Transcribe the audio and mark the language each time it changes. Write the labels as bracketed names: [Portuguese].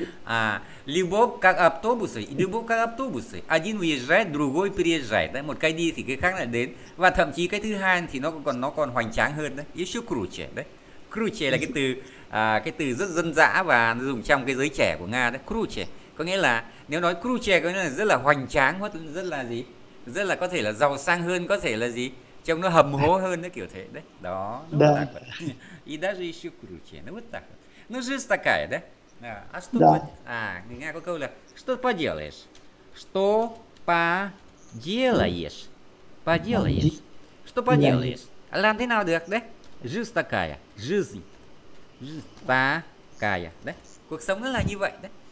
[Vietnamese] À, [Russian] любовь как автобусы, один уезжает, другой приезжает, [Vietnamese] đấy, một cái đi thì cái khác lại đến, và thậm chí cái thứ hai thì nó còn hoành tráng hơn đấy, [Russian] еще круче [Vietnamese] đấy. Круче là cái từ rất dân dã và nó dùng trong cái giới trẻ của Nga đấy. Круче có nghĩa là, nếu nói круче có nghĩa là rất là hoành tráng, hoặc rất là gì, rất là có thể là giàu sang hơn, có thể là gì, trông nó hầm hố hơn, nó kiểu thế đấy. Đó, nó [Russian] Да. И даже еще круче, ну вот так. Ну, жизнь такая, да? А что Да. поделаешь? [Vietnamese] А, Nga có câu là, [Russian] что поделаешь? Что поделаешь? Поделаешь? Что поделаешь? [Vietnamese] Làm thế nào được, đấy? [Russian] Жизнь такая. Жизнь. Жизнь такая, да? [Vietnamese] Cuộc sống nó là như vậy, đấy.